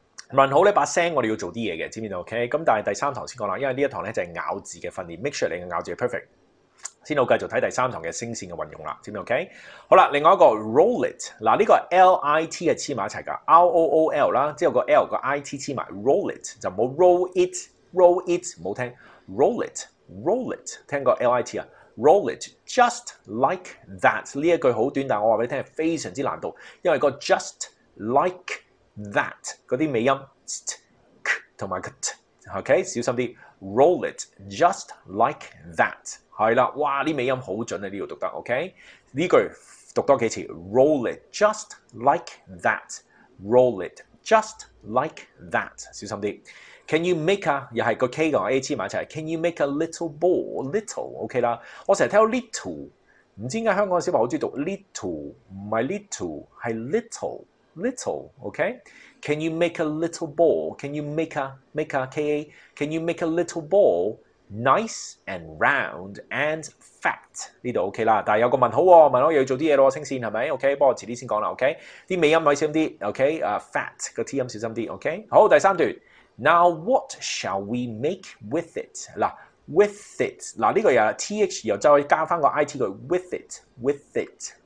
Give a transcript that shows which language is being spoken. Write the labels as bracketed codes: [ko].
[yue] 問好咧，把聲我哋要做啲嘢嘅，知唔知 ？OK， 咁但係第三堂先講啦，因為呢一堂咧就係咬字嘅訓練 ， [en] make sure [yue] 你嘅咬字係 perfect， 先好繼續睇第三堂嘅聲線嘅運用啦，知唔知 ？OK， 好啦，另外一個 roll it， 嗱呢個 L I T 係黐埋一齊㗎 ，R O O L 啦，之後個 L 個 I T 黐埋 ，roll it 就冇 roll it 冇聽 ，roll it 聽個 L I T 啊 ， [en] roll it just like that [yue] 呢一句好短，但係我話俾你聽係非常之難度，因為個 just like。 [en] That [yue] 嗰啲尾音 t 同埋 t， OK 小心啲。 [en] Roll it just like that， [yue] 系啦，哇啲尾音好准啊！呢度读得 OK， 呢句读多几次。 [en] Roll it just like that， roll it just like that，小心啲。 Can you make a [yue] 又系个 K 同 A 黐埋一齐 [en] ？Can you make a little ball little OK 啦？ [yue] 我成日听到 little， 唔知点解香港小朋友好中意读 little， 唔系 little 系 little。 [en] Little, okay. Can you make a little ball? Can you make a K A? Can you make a little ball nice and round and fat? [yue] 呢度 OK 啦，但係有個問號喎、哦，問我又要做啲嘢咯，清線係咪 ？OK， 幫我遲啲先講啦。 OK， 啲尾音可以小心啲。 [en] OK， [yue] 啊、fat 個 T 音小心啲。OK， 好，第三段。 [en] Now what shall we make with it? [yue] 嗱 ，with it 嗱呢個又 T H 又再加翻個 I T 句 [en] with it with it。